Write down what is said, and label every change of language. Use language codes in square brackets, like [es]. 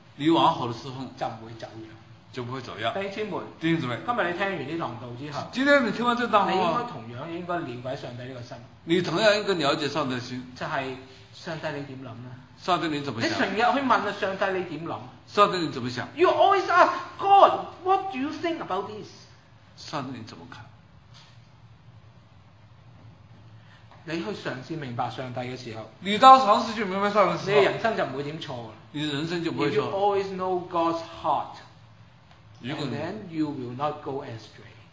[zh] 你往后的侍奉就不会走样，就不会走样。弟兄们，弟兄姊妹，今天你听完这堂道之后，今天你听完这堂道，你应该同样应该了解上帝这个心，你同样应该了解上帝的心，就是上帝你怎么想呢？上帝你怎么想？你成天去问上帝你怎么想？上帝你怎么想？ [en] You always ask God, what do you think about this? [zh] 上帝你怎么看？你去尝试明白上帝的时候，你当尝试去明白上帝的时候，你的人生就不会怎么错了。你的人生就不会错。 [en] You always know God's heart, and then you will not go astray.